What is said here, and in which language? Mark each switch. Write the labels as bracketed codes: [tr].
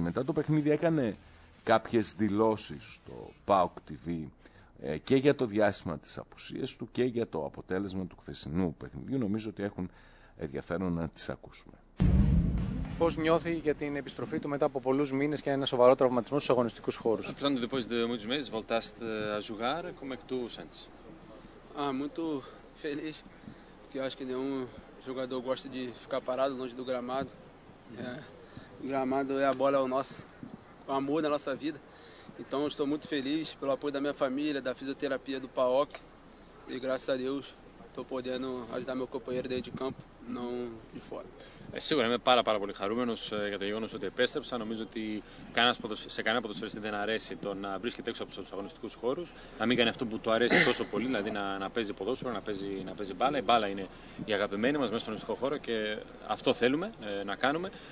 [el] Μετά το παιχνίδι έκανε κάποιες δηλώσεις στο ΠΑΟΚ TV και για το διάστημα της απουσίας του και για το αποτέλεσμα του χθεσινού παιχνιδιού. Νομίζω ότι έχουν ενδιαφέρον να τις ακούσουμε. Πώς νιώθει για την επιστροφή του μετά από πολλούς μήνες και ένα σοβαρό τραυματισμό στους αγωνιστικούς χώρους? [fr] Après le dépôt de [pt] muitos meses, voltaste a jogar, como é que tu sentes? Ah, muito feliz, porque eu acho que nenhum jogador gosta de ficar parado longe do gramado. O gramado é a bola, é o nosso, o amor da nossa vida. Então eu estou muito feliz pelo apoio da minha família, da fisioterapia do PAOK. E graças a Deus estou podendo ajudar meu companheiro dentro de campo, não de fora. [el] Σίγουρα είμαι πάρα, πάρα πολύ χαρούμενος για το γεγονός ότι επέστρεψα. Νομίζω ότι σε κανένα ποδοσφαιριστή δεν αρέσει το να βρίσκεται έξω από τους αγωνιστικούς χώρους, να μην κάνει αυτό που του αρέσει τόσο πολύ, δηλαδή να παίζει ποδόσφαιρο, να παίζει μπάλα. Η μπάλα είναι η αγαπημένη μας μέσα στον αγωνιστικό χώρο και αυτό θέλουμε να κάνουμε.